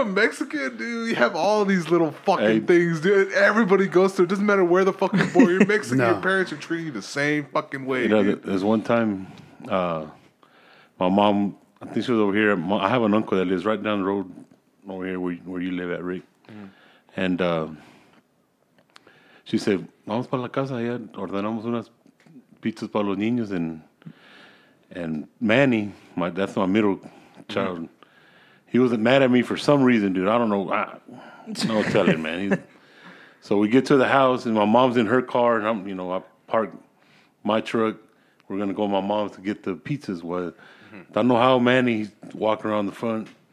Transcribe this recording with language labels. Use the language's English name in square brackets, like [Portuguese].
[English] Up Mexican, dude, you have all these little fucking things, dude. Everybody goes through. It doesn't matter where the fuck you're born. You're Mexican. Your parents are treating you the same fucking way. You know, there's one time my mom, I think she was over here. I have an uncle that lives right down the road over here where you live at, Rick. Mm-hmm. [Spanish] And she said, vamos para la casa, ya ordenamos unas pizzas para los niños. [English] And Manny, that's my middle child, he wasn't mad at me for some reason, dude. I don't know. No telling, man. So we get to the house, and my mom's in her car, and I'm, you know, I park my truck. We're going to go to my mom's to get the pizzas. I don't know how, Manny, he's walking around the front.